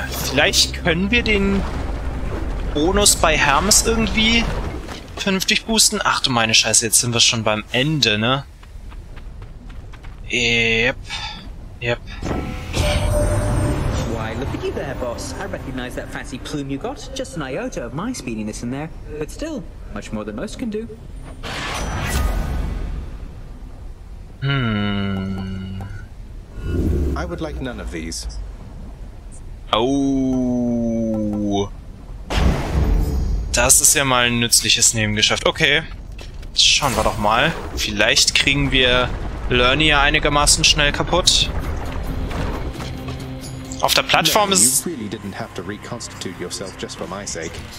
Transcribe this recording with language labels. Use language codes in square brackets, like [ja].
[de] Vielleicht können wir den Bonus bei Hermes irgendwie vernünftig boosten. Ach du meine Scheiße, jetzt sind wir schon beim Ende, ne? [en] Yep. Why, look at you there, boss. I recognize that fancy plume you got. Just an iota of my speediness in there. But still, much more than most can do. I would like none of these. Oh. [de] Das ist ja mal ein nützliches Nebengeschäft. Okay. Schauen wir doch mal. Vielleicht kriegen wir Lernie ja einigermaßen schnell kaputt. Auf der Plattform ist... [en] You really didn't have to reconstitute yourself just for my sake.